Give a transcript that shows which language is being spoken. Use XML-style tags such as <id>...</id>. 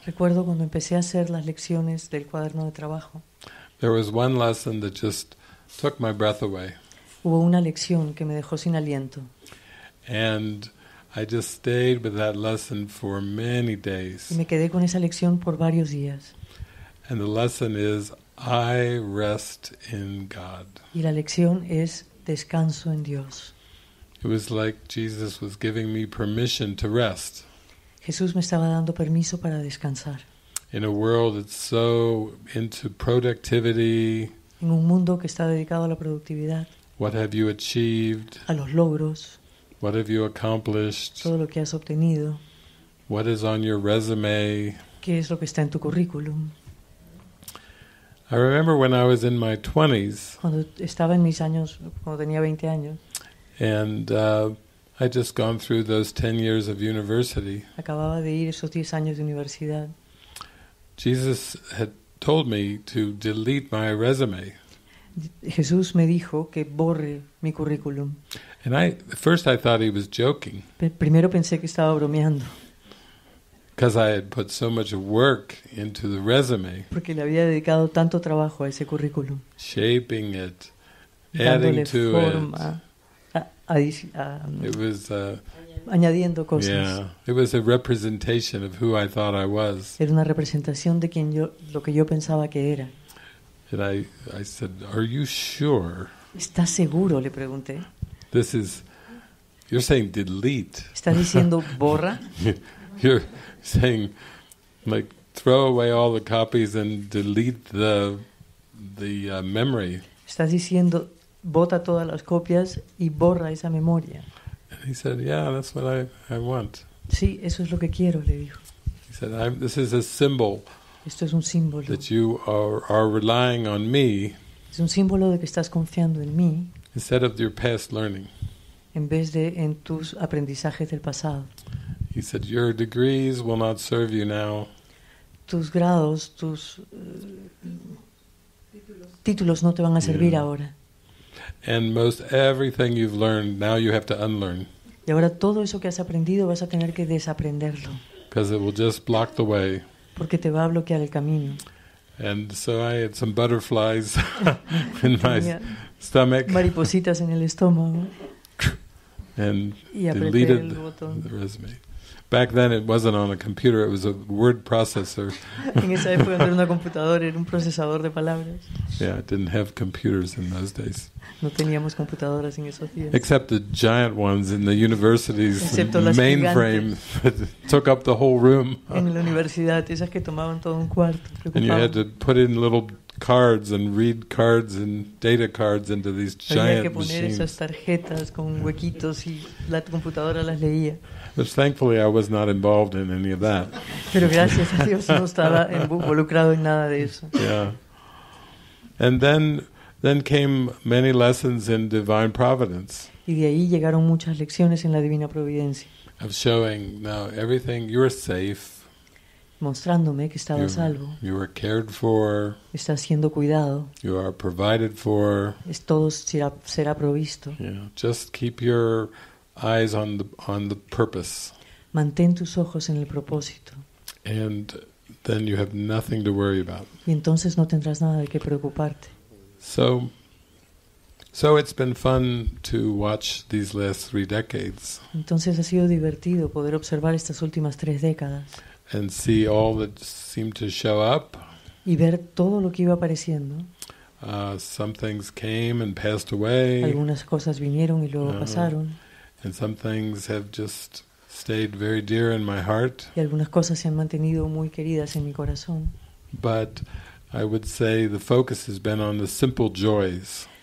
<es>Recuerdo cuando empecé a hacer las lecciones del cuaderno de trabajo.</es> <en>There was one lesson that just took my breath away.</en> <es>Hubo una lección que me dejó sin aliento.</es> <en>And I just stayed with that lesson for many days.</en> <es>Y me quedé con esa lección por varios días.</es> <en>And the lesson is, I rest in God.</en> <es>Y la lección es, descanso en Dios.</es> <en>It was like Jesus was giving me permission to rest.</en> <es>Jesús me estaba dando permiso para descansar.</es> <en>in a world that's so into productivity.</en> <es>En un mundo que está dedicado a la productividad.</es> <en>What have you achieved?</en> <es>A los logros.</es> <en>What have you accomplished?</en> <es>Todo lo que has obtenido.</es> <en>What is on your resume?</en> <es>¿Qué es lo que está en tu currículum?</es> <en>I remember when I was in my 20s.</en> <es>Cuando estaba en mis años, cuando tenía 20 años.</es> <en>And I'd just gone through those 10 years of university.</en> <es>Acababa de ir esos 10 años de universidad.</es> <en>Jesus had told me to delete my resume.</en> <es>Jesús me dijo que borre mi currículum.</es> <en>And at first I thought he was joking.</en> <es>Primero pensé que estaba bromeando.</es> <en>Because I had put so much work into the resume.</en> <es>Porque le había dedicado tanto trabajo a ese currículum.</es> <en>Shaping it, adding to</en> <es>forma,</es> <en>it.</en> <es>Añadiendo cosas.</es> <en>Yeah, it was a representation of who I thought I was.</en> <es>Era una representación de quien yo, lo que yo pensaba que era.</es> <en>And I said, "Are you sure?"</en> <es>¿Estás seguro? Le pregunté.</es> <en>This is, you're saying delete.</en> <es>¿Estás diciendo borra?</es> <en>You're saying, like, throw away all the copies and delete the memory.</en> <es>¿Estás diciendo bota todas las copias y borra esa memoria?</es> <en>And he said, "Yeah, that's what I want."</en> <es>Sí, eso es lo que quiero, le dijo.</es> <en>He said, "This is a symbol."</en> <es>Esto es un símbolo.</es> <en>That you are relying on me.</en> <es>Es un símbolo de que estás confiando en mí.</es> <en>Instead of your past learning.</en> <es>En vez de en tus aprendizajes del pasado.</es> <en>He said, "Your degrees will not serve you now."</en> <es>Tus grados, tus títulos no te van a servir ahora.</es> <en>And most everything you've learned, now you have to unlearn.</en> <es>Y ahora todo eso que has aprendido vas a tener que desaprenderlo.</es> <en>Because it will just block the way.</en> <es>Porque te va a bloquear el camino.</es> <en>And so I had some butterflies in my stomach.</en> <es>Maripositas en el estómago.</es> <en>And</en> <es>y</es> <en>deleted</en> <es>el botón.</es> <en>The resume. Back then it wasn't on a computer, it was a word processor.</en> <es>En esa época no era una computadora, era un procesador de palabras.</es> <en>Yeah, I didn't have computers in those days.</en> <es>No teníamos computadoras en esos días.</es> <en>Except the giant ones in the university's mainframe that took up the whole room.</en> <es>En la universidad, esas que tomaban todo un cuarto.</es> <en>And you had to put in little cards and read cards and data cards into these giant machines.</en> <es>Había que poner esas tarjetas con huequitos y la computadora las leía.</es> <en>But thankfully, I was not involved in any of that.</en> <es>Pero gracias a Dios no estaba involucrado en nada de eso.</es> <en>Yeah. And then came many lessons in divine providence.</en> <es>Y de ahí llegaron muchas lecciones en la divina providencia.</es> <en>Of showing now everything, you are safe.</en> <es>Mostrándome que estaba a salvo.</es> <en>You are cared for.</en> <es>Estás siendo cuidado.</es> <en>You are provided for.</en> <es>Es todo será provisto.</es> <en>Yeah. Just keep your eyes on the purpose.</en> <es>Mantén tus ojos en el propósito.</es> <en>And then you have nothing to worry about.</en> <es>Y entonces no tendrás nada de qué preocuparte.</es> <en>So it's been fun to watch these last 3 decades.</en> <es>Entonces ha sido divertido poder observar estas últimas 3 décadas.</es> <en>And see all that seemed to show up.</en> <es>Y ver todo lo que iba apareciendo.</es> <en>Some things came and passed away.</en> <es>Algunas cosas vinieron y luego pasaron.</es> <en>And some things have just stayed very dear in my heart.</en> <es>Y algunas cosas se han mantenido muy queridas en mi corazón.</es> <en>But I would say the focus has been on the simple joys.</en>